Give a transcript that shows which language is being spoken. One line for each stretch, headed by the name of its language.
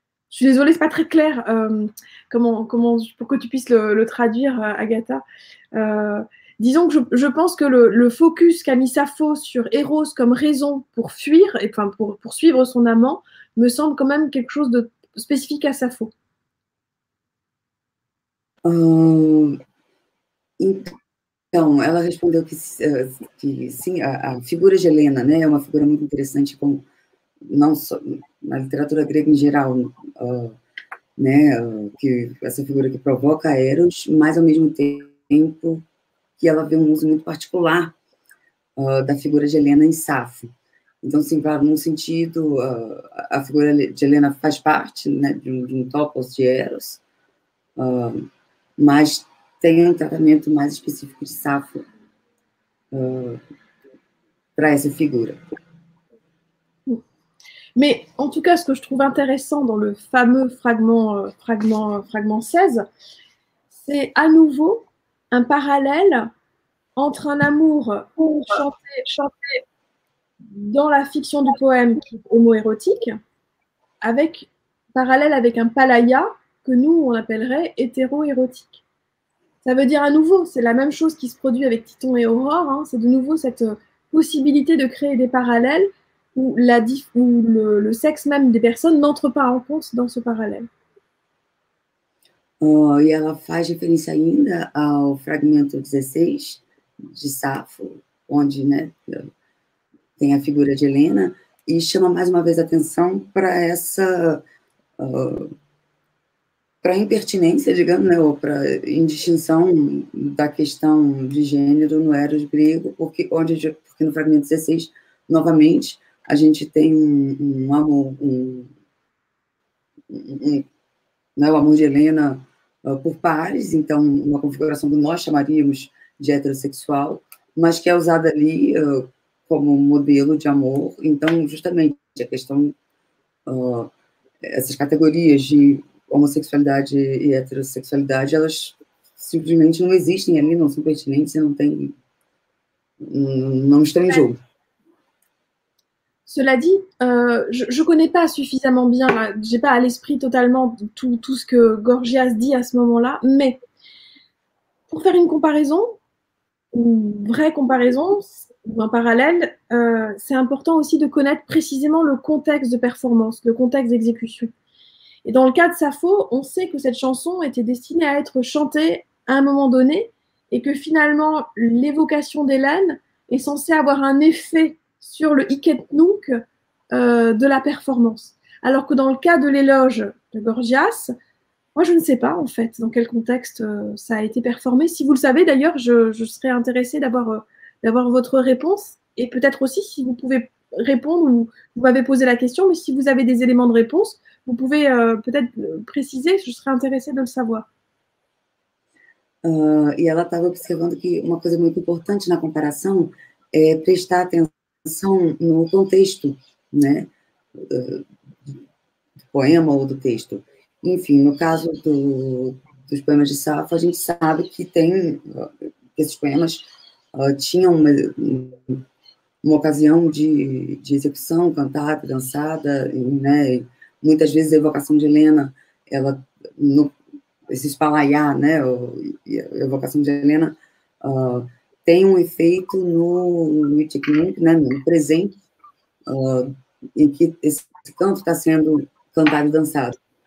French: Je suis désolée, c'est pas très clair comment pour que tu puisses le traduire, Agatha. Disons que je pense que le focus qu'a mis Sappho sur Eros comme raison pour fuir et enfin pour poursuivre son amant me semble quand même quelque chose de spécifique à Sappho.
Portuguese: Então, ela respondeu que sim, a figura de Helena, né, é uma figura muito interessante com, não só na literatura grega em geral, né, que essa figura que provoca Eros, mas ao mesmo tempo que ela vê um uso muito particular da figura de Helena em Sappho. Então, sim, claro, num sentido, a figura de Helena faz parte, né, de um topos de Eros, mas tem um tratamento mais específico de Sappho para essa figura.
French: Mais en tout cas, ce que je trouve intéressant dans le fameux fragment 16, c'est à nouveau un parallèle entre un amour chanté dans la fiction du poème qui est homoérotique, avec parallèle avec un palaya que nous on appellerait hétéroérotique. Ça veut dire à nouveau, c'est la même chose qui se produit avec Titon et Aurore, hein, c'est de nouveau cette possibilité de créer des parallèles où le sexe même des personnes n'entre pas en compte dans ce parallèle.
Portuguese: E ela faz referência ainda ao fragmento 16 de Sappho, onde, né, tem a figura de Helena, e chama mais uma vez a atenção para essa... para impertinência, digamos, né, ou para indistinção da questão de gênero no Eros grego, porque no fragmento 16, novamente, a gente tem um amor, né, o amor de Helena por pares, então uma configuração que nós chamaríamos de heterossexual, mas que é usada ali como modelo de amor. Então, justamente, a questão, essas categorias de homossexualidade e heterossexualidade, elas simplesmente não existem ali, não são pertinentes, não tem, não estão em jogo.
French: Cela dit, je connais pas suffisamment bien, j'ai pas à l'esprit totalement tout ce que Gorgias dit à ce moment-là, mais Pour faire une comparaison, une vraie comparaison, ou un parallèle, c'est important aussi de connaître précisément le contexte de performance, le contexte d'exécution. Et dans le cas de Sappho, on sait que cette chanson était destinée à être chantée à un moment donné et que finalement, l'évocation d'Hélène est censée avoir un effet sur le Iketnouk de la performance. Alors que dans le cas de l'éloge de Gorgias, moi, je ne sais pas, en fait, dans quel contexte ça a été performé. Si vous le savez, d'ailleurs, je serais intéressée d'avoir, d'avoir votre réponse. Et peut-être aussi, si vous pouvez répondre, ou vous m'avez posé la question, mais si vous avez des éléments de réponse, vous pouvez peut-être préciser, je serais intéressée de le savoir.
Portuguese: E ela estava observando que uma coisa muito importante na comparação é prestar atenção no contexto, né, do poema ou do texto. Enfim, no caso dos poemas de Sappho, a gente sabe que tem esses poemas tinham uma ocasião de execução, cantada, dançada, e, né, muitas vezes a evocação de Helena, ela no, esse espalaiá, né, a evocação de Helena tem um efeito no Iketnouk, né, no presente, em que esse canto está sendo cantado e dançado.